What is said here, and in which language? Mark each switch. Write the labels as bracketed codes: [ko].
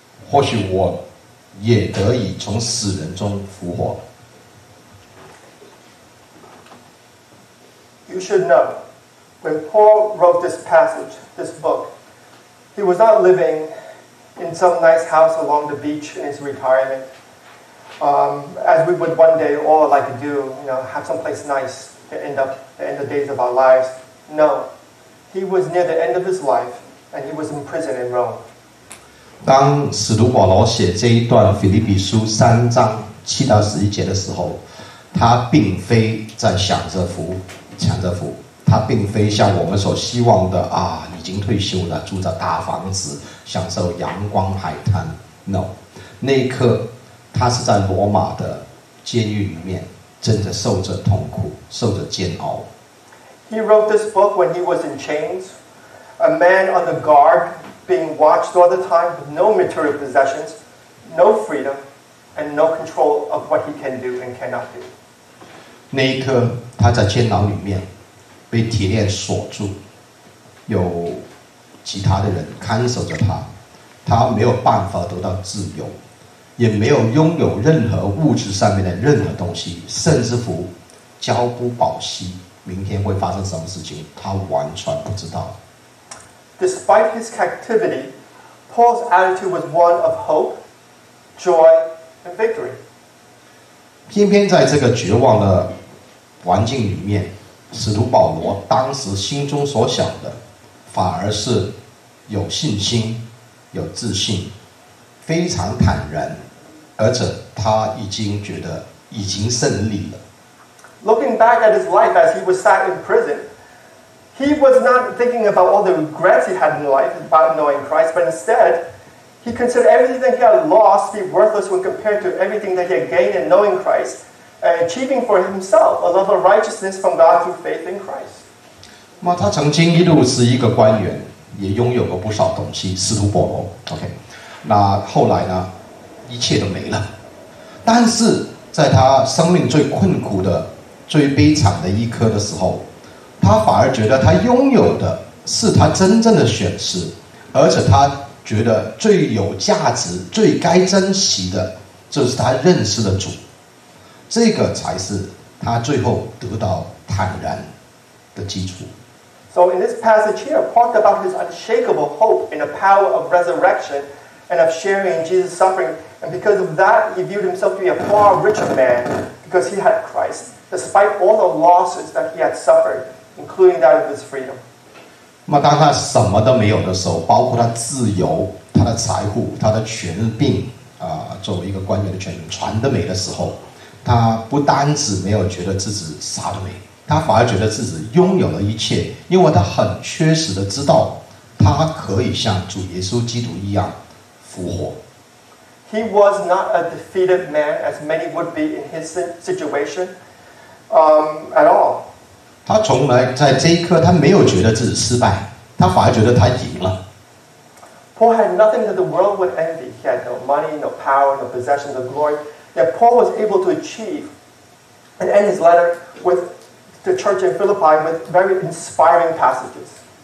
[zh] 或许我也得以从死人中复活。 [en] You should know, when Paul wrote this passage, this book, he was not living in some nice house along the beach in his retirement. As we would one day all like to do, you know, have someplace nice to end the days of our lives. No, he was near the end of his life, and he was in prison in Rome. [zh] 当使徒保罗写这一段腓立比书三章七到十一节的时候，他并非在享着福。抢着福，他并非像我们所希望的啊，已经退休了，住着大房子，享受阳光海滩。 No， 那一刻，他是在罗马的监狱里面，正在受着痛苦，受着煎熬。 [en] He wrote this book when he was in chains, a man on the guard, being watched all the time, with no material possessions, no freedom, and no control of what he can do and cannot do. [zh] 那一刻。他在监牢里面被铁链锁住，有其他的人看守着他，他没有办法得到自由，也没有拥有任何物质上面的任何东西，甚至乎朝不保夕，明天会发生什么事情他完全不知道。 [en] Despite his captivity, Paul's attitude was one of hope, joy, and victory. [zh] 偏偏在这个绝望的环境里面，使徒保罗当时心中所想的反而是有信心，有自信，非常坦然，而且他已经觉得已经胜利了。 [en] Looking back at his life as he was sat in prison, he was not thinking about all the regrets he had in life about knowing Christ, but instead he considered everything he had lost to be worthless when compared to everything that he had gained in knowing Christ. Achieving for himself a level of righteousness from God through faith in Christ. [zh] 那他曾经一路是一个官员，也拥有过不少东西。使徒保罗 ，OK， 那后来呢，一切都没了。但是在他生命最困苦的、最悲惨的一刻的时候，他反而觉得他拥有的是他真正的选择，而且他觉得最有价值、最该珍惜的，就是他认识的主。这个才是他最后得到坦然的基础。 [en] So in this passage here, Paul talked about his unshakable hope in the power of resurrection and of sharing in Jesus' suffering. And because of that, he viewed himself to be a far richer man because he had Christ, despite all the losses that he had suffered, including that of his freedom. [zh] 那当他什么都没有的时候，包括他自由、他的财富、他的权柄啊，作为一个官员的权柄全都没的时候。他不单止没有觉得自己啥都没，他反而觉得自己拥有了一切，因为他很确实的知道，他可以像主耶稣基督一样复活。 [en] He was not a defeated man, as many would be in his situation, at all. [zh] 他从来在这一刻，他没有觉得自己失败，他反而觉得他赢了。 [en] Paul had nothing that the world would envy. He had no money, no power, no possessions, no glory. That Paul was able to achieve and end his letter with the church in Philippi with very inspiring passages.